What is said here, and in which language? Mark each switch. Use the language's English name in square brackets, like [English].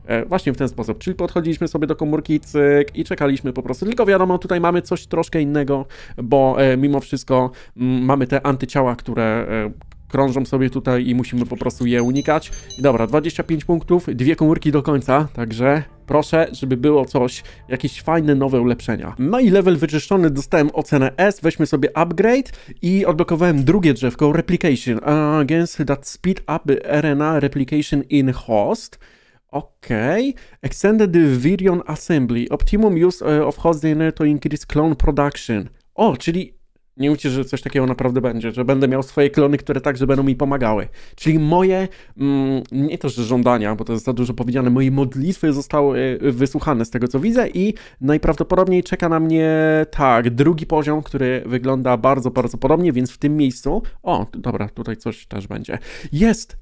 [Polish] Właśnie w ten sposób, czyli podchodziliśmy sobie do komórki, cyk, i czekaliśmy po prostu, tylko wiadomo, tutaj mamy coś troszkę innego, bo mimo wszystko mamy te antyciała, które krążą sobie tutaj i musimy po prostu je unikać. Dobra, 25 punktów, dwie komórki do końca, także proszę, żeby było coś, jakieś fajne nowe ulepszenia. No i level wyczyszczony, dostałem ocenę S, weźmy sobie upgrade i odblokowałem drugie drzewko, replication. [English] Against that speed up RNA replication in host. Okej. Okay. Extended virion assembly. Optimum use of host DNA to increase clone production. [Polish] O, czyli nie mówcie, że coś takiego naprawdę będzie, że będę miał swoje klony, które także będą mi pomagały. Czyli moje, nie to, że żądania, bo to jest za dużo powiedziane, moje modlitwy zostały wysłuchane z tego, co widzę, i najprawdopodobniej czeka na mnie, tak, drugi poziom, który wygląda bardzo, bardzo podobnie, więc w tym miejscu, o, dobra, tutaj coś też będzie. Jest!